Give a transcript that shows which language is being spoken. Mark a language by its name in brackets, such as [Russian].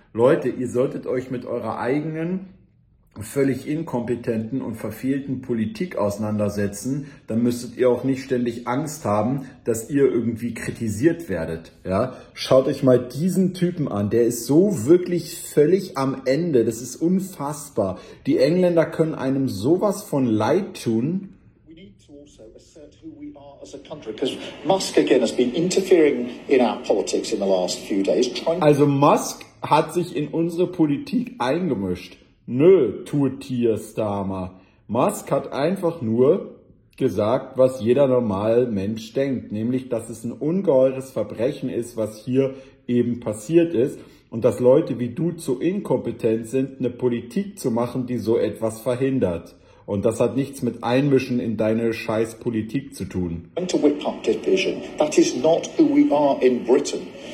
[German] Leute, ihr solltet euch mit eurer eigenen völlig inkompetenten und verfehlten Politik auseinandersetzen, dann müsstet ihr auch nicht ständig Angst haben, dass ihr irgendwie kritisiert werdet. Ja? Schaut euch mal diesen Typen an, der ist so wirklich völlig am Ende, das ist unfassbar. Die Engländer können einem sowas von leid tun. [English] We need to also assert who we are as a country, because Musk again has been interfering in our politics in the last few days. [German] Also Musk hat sich in unsere Politik eingemischt. Nö, Tourtier Starmer. Musk hat einfach nur gesagt, was jeder normale Mensch denkt, nämlich, dass es ein ungeheures Verbrechen ist, was hier eben passiert ist und dass Leute wie du zu inkompetent sind, eine Politik zu machen, die so etwas verhindert. Und das hat nichts mit Einmischen in deine scheiß Politik zu tun. [English] That is not who we are in Britain.